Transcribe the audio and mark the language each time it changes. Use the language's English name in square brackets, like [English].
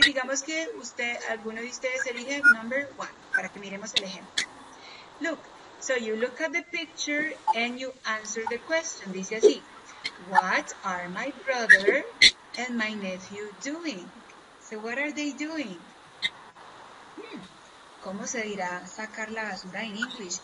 [Spanish] Digamos que usted, alguno de ustedes elige number one, para que miremos el ejemplo. [English] Look, so you look at the picture and you answer the question. [Spanish] Dice así. [English] What are my brother and my nephew doing? So what are they doing? [Spanish] ¿Cómo se dirá sacar la basura [English] in English?